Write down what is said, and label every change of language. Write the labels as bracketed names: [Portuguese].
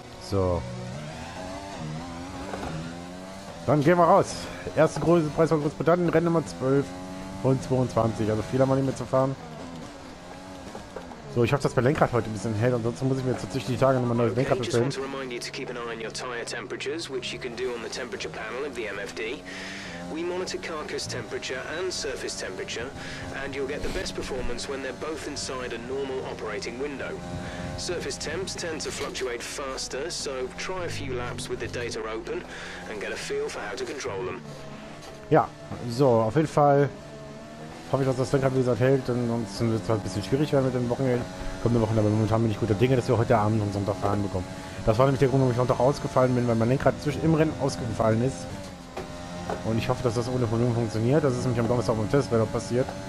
[German] So. Dann gehen wir raus. Erster große Preis von Großbritannien, Rennen Nummer 12 und 22. Also viel haben wir nicht mehr zu fahren. So, ich hoffe, dass mein Lenkrad heute ein bisschen hält. Ansonsten muss ich mir zwischen die Tage nochmal ein neues Lenkrad bestellen. [English] Okay, I just want to remind you to keep an eye on your tire temperatures, which you can do on the temperature panel of the MFD. We monitor carcass temperature and surface temperature, and you'll get the best performance when they're both inside a normal operating window. Surface temps tend to fluctuate faster, so try a few laps with the data open and get a feel for how to control them. [German] Ja, so, auf jeden Fall hoffe ich, dass das Lenkrad, wie gesagt, hält, denn sonst wird es halt ein bisschen schwierig werden mit den Wochenenden. Kommende Wochen, aber momentan bin ich guter Dinge, dass wir heute Abend und Sonntag fahren bekommen. Das war nämlich der Grund, warum ich Sonntag ausgefallen bin, weil mein Lenkrad zwischen im Rennen ausgefallen ist. Und ich hoffe, dass das ohne Problem funktioniert. Das ist nämlich am Donnerstag beim Test, weil das passiert.